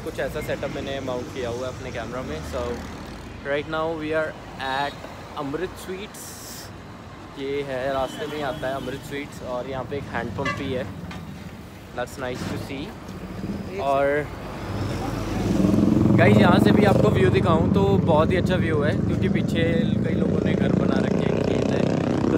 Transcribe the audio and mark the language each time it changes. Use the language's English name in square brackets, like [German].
[Hindi] कुछ ऐसा setup मैंने mount किया हुआ है अपने camera में. [English] So right now we are at Amrit Sweets. [Hindi] ये है रास्ते में आता है Amrit Sweets और यहाँ पे एक hand pump भी है. [English] That's nice to see. [Hindi] और guys यहाँ से भी आपको view दिखाऊँ तो बहुत ही अच्छा view है क्योंकि पीछे कई लोगों ने घर बना रखे हैं.